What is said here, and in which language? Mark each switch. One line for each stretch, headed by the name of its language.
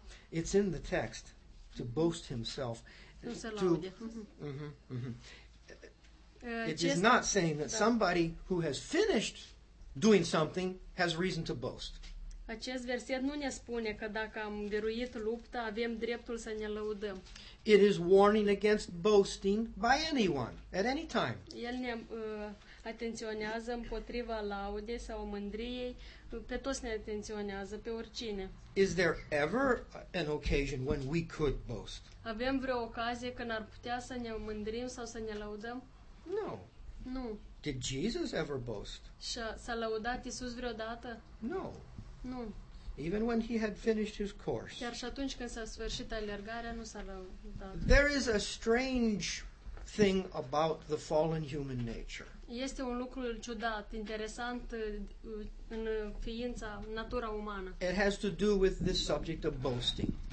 English: It's in the text, to boast himself. It is not saying that somebody who has finished doing something has reason to boast.
Romanian: Acest verset nu ne spune că dacă am biruit lupta, avem dreptul să ne lăudăm.
English: It is warning against boasting by anyone at any time.
Romanian: El ne atenționează împotriva laudei sau mândriei, pe toți ne atenționează, pe oricine.
English: Is there ever an occasion when we could boast?
Romanian: Avem vreo ocazie când ar putea să ne mândrim sau să ne lăudăm?
English: No.
Romanian: Nu.
English: Did Jesus ever boast?
Romanian: S-a lăudat Iisus vreodată?
English: No.
Romanian: Nu.
English: Even when he had finished his course.
Romanian: Chiar și atunci când s-a sfârșit alergarea, nu s-a lăudat.
English: There is a strange thing about the fallen human nature.
Romanian: Este un lucru ciudat, interesant în ființa, natura umană.
English: It has to do with this subject of boasting.